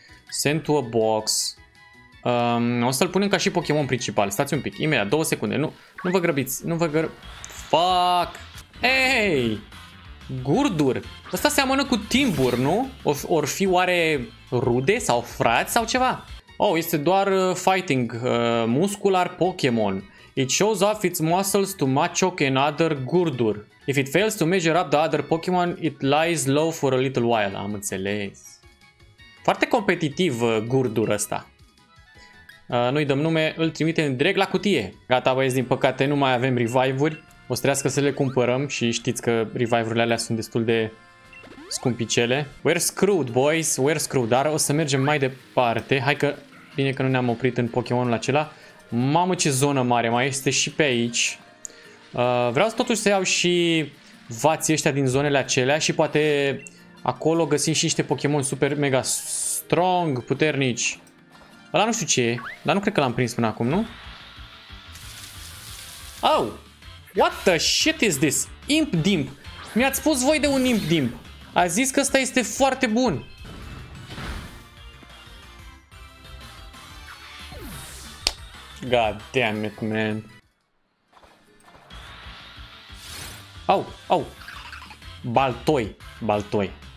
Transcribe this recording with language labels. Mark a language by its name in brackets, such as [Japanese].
[English] Send to a box. [Romanian] O să-l punem ca și Pokémon principal. Stați un pic. Imediat, 2 secunde. Nu vă grăbiți. Fuck. Hey! Gurdur. Ăsta seamănă cu Timbur, nu? Or fi oare rude sau frați sau ceva? Oh, este doar fighting. Muscular Pokémon. [English] It shows off its muscles to Machoke and other Gurdur. If it fails to measure up the other Pokemon, it lies low for a little while. [Romanian] Am înțeles. Foarte competitiv Gurdur ăsta. Nu-i dăm nume, îl trimitem direct la cutie. Gata, băieți, din păcate nu mai avem revive-uri. O să trească să le cumpărăm și știți că revive-urile alea sunt destul de scumpicele. [English] We're screwed, boys, we're screwed. [Romanian] Dar o să mergem mai departe. Hai că, bine că nu ne-am oprit în Pokemonul acela. Mamă, ce zonă mare, mai este și pe aici. Vreau totuși să iau și vații ăștia din zonele acelea și poate acolo găsim și niște Pokémon super mega strong, puternici. Ăla nu știu ce e, dar nu cred că l-am prins până acum, nu? [English] Oh! What the shit is this? Imp Dimp! [Romanian] Mi-ați spus voi de un Imp-Dimp. A zis că ăsta este foarte bun. [English] God damn it, man. [Romanian] Au, au. Baltoi, Baltoi.